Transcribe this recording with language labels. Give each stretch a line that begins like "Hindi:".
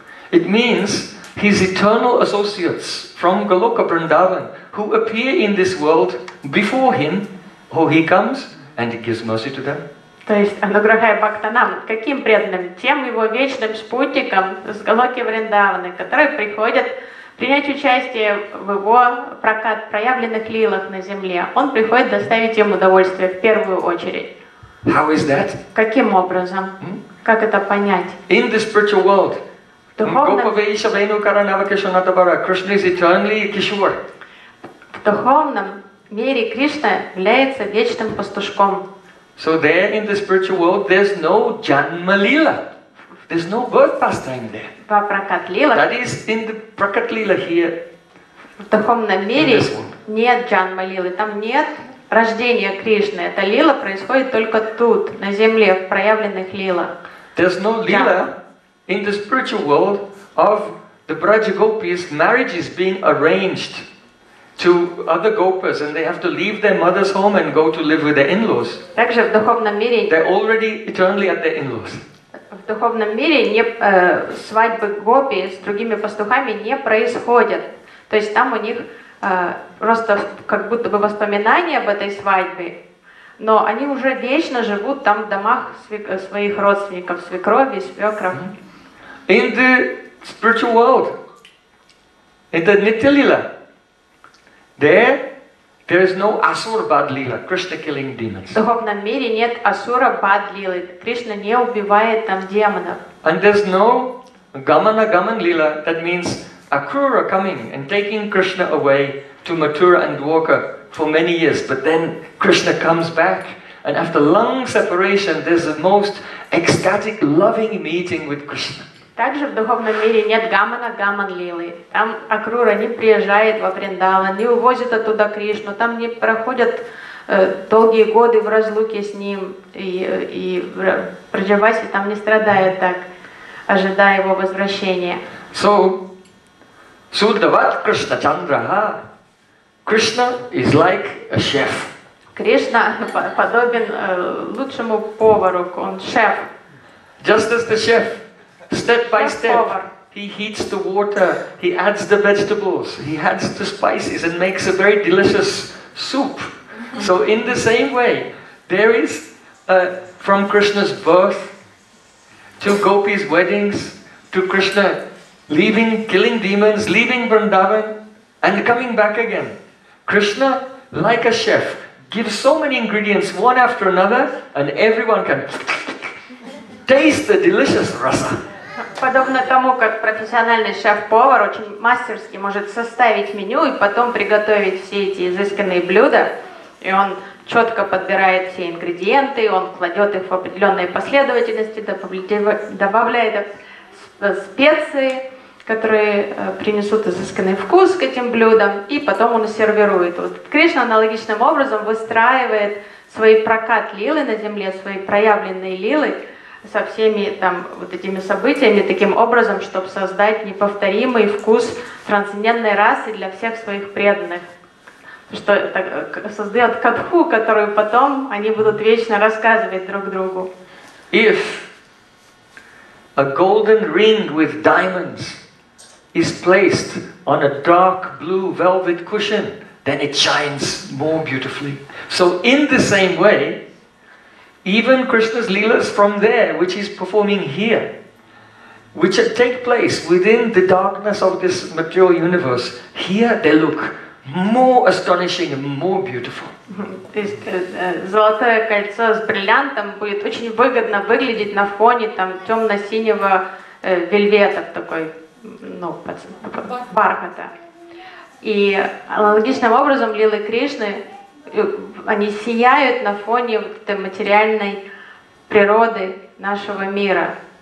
English: It means his eternal associates from Goloka Vrindavan who appear in this world before him, or he comes and he gives mercy to them.
Russian: То есть
Sanskrit: ануграхая бхактанам,
Russian: каким преданным? Тем его вечным спутникам с Голоки Вриндаваны, которые приходят принять участие в его прокат проявленных лилах на земле. Он приходит доставить им удовольствие в первую очередь.
English: How is that?
Russian: Каким образом? Как это понять?
English: In the spiritual world,
Sanskrit: Gopavesha Venukara Navakeshanatabara,
English: Krishna is eternally Kishore.
Russian: В духовном мире Кришна является вечным пастушком.
English: So there in the spiritual world, there's no Janma Lila. There's no word pastime there.
Russian: Во прокатлилах.
English: That is in the прокатлила here.
Russian: В духовном мире нет джанмалилы, там нет рождения Кришны. Эта лила происходит только тут, на земле, в проявленных лилах.
English: There's no lila in the spiritual world of the Brajagopis' marriages being arranged to other gopas, and they have to leave their mother's home and go to live with their in-laws.
Russian: Также в духовном мире.
English: They're already eternally at their in-laws.
Russian: В духовном мире свадьбы гопи с другими пастухами не происходят. То есть там у них просто как будто бы воспоминания об этой свадьбе, но они уже вечно живут там в домах своих родственников, свекрови, свекров.
English: In the spiritual world, in the Nityalila, there is no asura bad lila, Krishna killing demons.
Russian: В духовном мире нет асура бад лилы, Кришна не убивает там демонов.
English: And there's no gamana gaman lila, that means Akrura coming and taking Krishna away to Mathura and Dwarka for many years, but then Krishna comes back, and after long separation, there's a most ecstatic, loving meeting with Krishna.
Russian: Также в духовном мире нет гамана гаман лилы. Там Акрура не приезжает во Вриндаван, не увозит оттуда Кришну. Там не проходят долгие годы в разлуке с ним, и в Браджавасе там не страдает так, ожидая его возвращения.
Sanskrit: So, Sudhavat Krishna Chandraha.
English: Krishna is like a chef.
Russian: Krishna подобен лучшему повару, он шеф.
English: Just as the chef, step by step, he heats the water, he adds the vegetables, he adds the spices and makes a very delicious soup. So in the same way, there is from Krishna's birth to Gopi's weddings to Krishna leaving, killing demons, leaving Vrindavan, and coming back again. Krishna, like a chef, gives so many ingredients one after another, and everyone can taste the delicious rasa.
Russian: Подобно тому, как профессиональный шеф-повар очень мастерски может составить меню и потом приготовить все эти изысканные блюда, и он четко подбирает все ингредиенты, он кладет их в определенной последовательности, добавляет специи, которые принесут изысканный вкус к этим блюдам, и потом он сервирует. Вот Кришна аналогичным образом выстраивает свои прокат лилы на земле, свои проявленные лилы со всеми там вот этими событиями, таким образом, чтобы создать неповторимый вкус трансцендентной расы для всех своих преданных. Что это создает катху, которую потом они будут вечно рассказывать друг другу.
English: If a golden ring with diamonds is placed on a dark blue velvet cushion, then it shines more beautifully. So in the same way, even Krishna's lilas from there, which he's performing here, which take place within the darkness of this material universe, here they look more astonishing and more beautiful.
Russian: То есть золотое кольцо с бриллиантом будет очень выгодно выглядеть на фоне там темно-синего вельвета такой. Ну, бархата. И аналогичным образом лилы Кришны, они сияют на фоне вот этой материальной природы нашего мира.